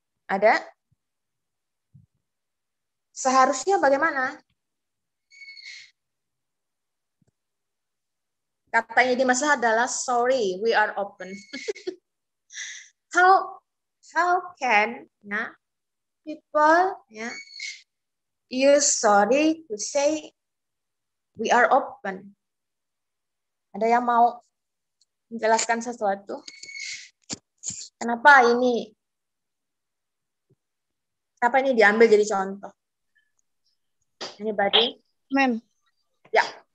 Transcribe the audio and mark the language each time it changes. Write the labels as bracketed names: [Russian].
[Indonesian] Ada? Seharusnya bagaimana? Katanya di masalah adalah [English] sorry, we are open. how can, ya? People ya use sorry to say we are open. [Indonesian] Ada yang mau menjelaskan sesuatu? Kenapa ini? Kenapa ini diambil jadi contoh? Anybody? Mem. Ya.